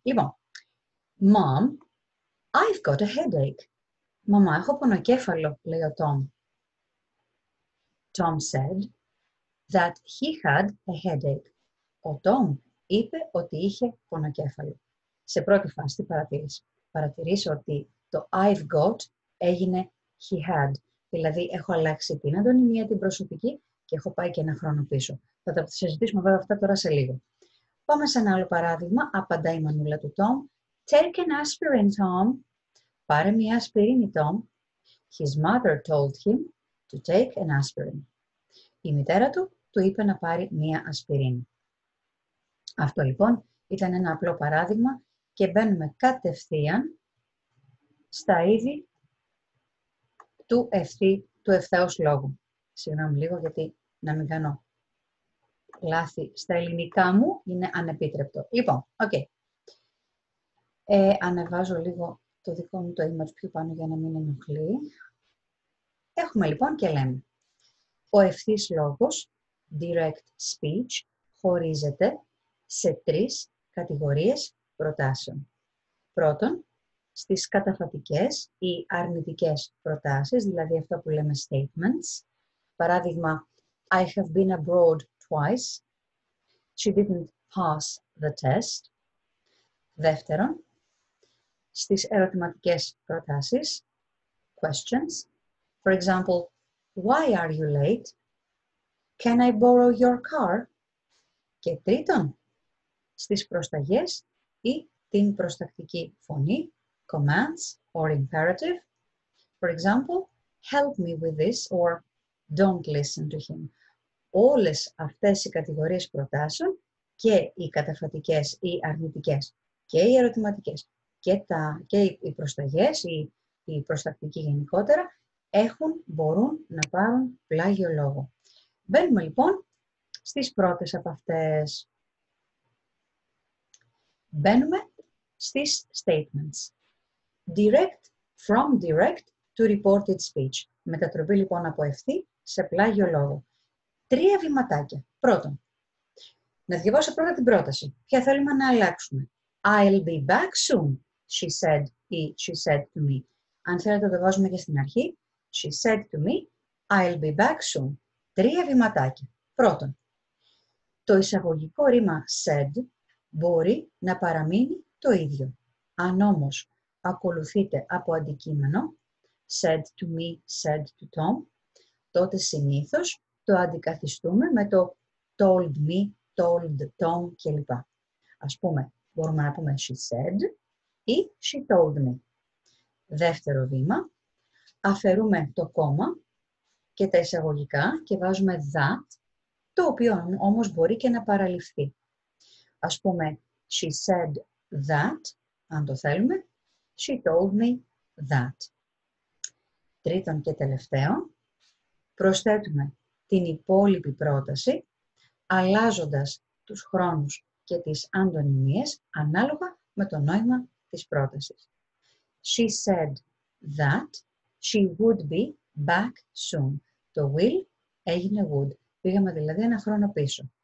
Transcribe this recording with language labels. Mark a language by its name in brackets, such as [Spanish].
[Greek] Λοιπόν, [English] mom, I've got a headache. [Greek] Μαμά, έχω πονοκέφαλο, λέει ο Tom. [English] Tom said that he had a headache. [Greek] Ο Tom είπε ότι είχε πονοκέφαλο. Σε πρώτη φάση τι παρατηρείς? Παρατηρείς ότι το I've got έγινε he had. Δηλαδή έχω αλλάξει την αντωνυμία, την προσωπική και έχω πάει και ένα χρόνο πίσω. Θα τα συζητήσουμε βέβαια αυτά τώρα σε λίγο. Πάμε σε ένα άλλο παράδειγμα. Απαντάει η μανούλα του Tom. [English] Take an aspirin, Tom. [Greek] Πάρε μια ασπιρίνη, Tom. [English] His mother told him to take an aspirin. [Greek] Η μητέρα του του είπε να πάρει μια ασπιρίνη. Αυτό λοιπόν ήταν ένα απλό παράδειγμα και μπαίνουμε κατευθείαν στα είδη του ευθέως λόγου. Συγγνώμη λίγο γιατί να μην κάνω λάθη στα ελληνικά μου, είναι ανεπίτρεπτο. Λοιπόν, okay. Ανεβάζω λίγο το δικό μου το image πιο πάνω για να μην ενοχλεί. Έχουμε λοιπόν και λέμε. Ο ευθύς λόγος, direct speech, χωρίζεται σε τρεις κατηγορίες προτάσεων. Πρώτον, στις καταφατικές ή αρνητικές προτάσεις, δηλαδή αυτό που λέμε statements. Παράδειγμα, [English] I have been abroad twice. She didn't pass the test. [Greek] Δεύτερον, στις ερωτηματικές προτάσεις, questions. [English] For example, why are you late? Can I borrow your car? [Greek] Και τρίτον, στις προσταγές ή την προστακτική φωνή, commands or imperative. [English] For example, help me with this or don't listen to him. [Greek] Όλες αυτές οι κατηγορίες προτάσεων, και οι καταφατικές ή αρνητικές και οι ερωτηματικές και, και οι προσταγές ή η προστακτική γενικότερα, έχουν, μπορούν να πάρουν πλάγιο λόγο. Μπαίνουμε λοιπόν στις πρώτες από αυτές. Μπαίνουμε στις statements. [English] Direct from direct to reported speech. [Greek] Μετατροπή λοιπόν από ευθύ σε πλάγιο λόγο. Τρία βηματάκια. Πρώτον, να διαβάσω πρώτα την πρόταση. Ποια θέλουμε να αλλάξουμε. [English] I'll be back soon, she said, [Greek] ή [English] she said to me. [Greek] Αν θέλετε, το βάζουμε και στην αρχή. [English] She said to me, I'll be back soon. [Greek] Τρία βηματάκια. Πρώτον, το εισαγωγικό ρήμα said μπορεί να παραμείνει το ίδιο. Αν όμως ακολουθείτε από αντικείμενο, said to me, said to Tom, τότε συνήθως το αντικαθιστούμε με το told me, told Tom κλπ. Ας πούμε, μπορούμε να πούμε [English] she said [Greek] ή [English] she told me. [Greek] Δεύτερο βήμα, αφαιρούμε το κόμμα και τα εισαγωγικά και βάζουμε that, το οποίο όμως μπορεί και να παραλυφθεί. Ας πούμε, [English] she said that, [Greek] αν το θέλουμε, [English] she told me that. [Greek] Τρίτον και τελευταίο, προσθέτουμε την υπόλοιπη πρόταση, αλλάζοντας τους χρόνους και τις αντωνυμίες ανάλογα με το νόημα της πρότασης. [English] She said that she would be back soon. [Greek] Το will έγινε would. Πήγαμε δηλαδή ένα χρόνο πίσω.